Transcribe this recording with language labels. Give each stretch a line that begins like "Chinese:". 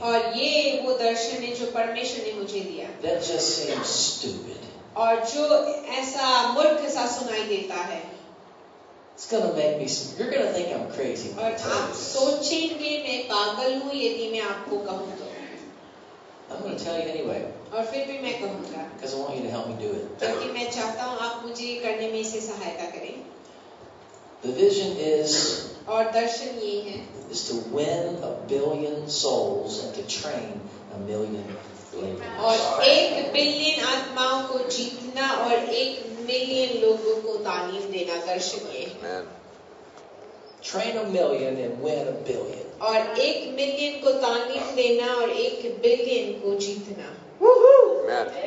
Hindi: और ये वो दर्शन है जो परमेश्वर ने मुझे दिया.
English: That just seems stupid.
Hindi: और जो ऐसा मूर्ख सा सुनाई देता है.
English: It's going to make me some, you're going to think I'm crazy.
Hindi: और आप सोचेंगे मैं पागल हूँ यदि मैं आपको कहूँ तो.
English: I'm going to tell you anyway.
Hindi: और फिर भी मैं कहूँगा.
English: Because I want you to help me do it.
Hindi: क्योंकि मैं चाहता हूँ आप मुझे करने में इसे सहायता करें.
English: The vision is.
Hindi: और दर्शन ये है.
English: Is to win a billion souls and to train a million.
Hindi: और एक बिलियन आत्माओं को जीतना और एक मिलियन लोगों को तालीम देना दर्शन ये
English: Train a million and win a billion.
Hindi: और एक मिलियन को तालीम देना और एक बिलियन को जीतना